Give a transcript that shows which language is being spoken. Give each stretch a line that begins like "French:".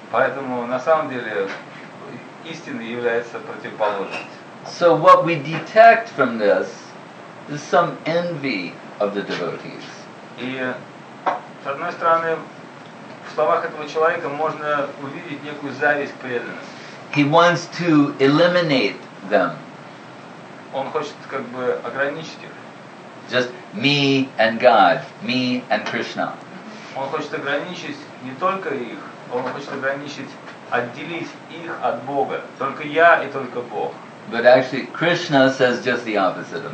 Russian: Поэтому на самом деле истина является противоположностью.
English: So what we detect from this is some envy of the devotees.
Russian: И с одной стороны, в словах этого человека можно увидеть некую зависть к преданным.
English: He wants to eliminate them.
Russian: Он хочет как бы ограничить их.
English: Just me and God, me and Krishna.
Russian: Он хочет ограничить не только их, он хочет ограничить, отделить их от Бога. Только я и только Бог.
English: But actually, Krishna says just the opposite of that.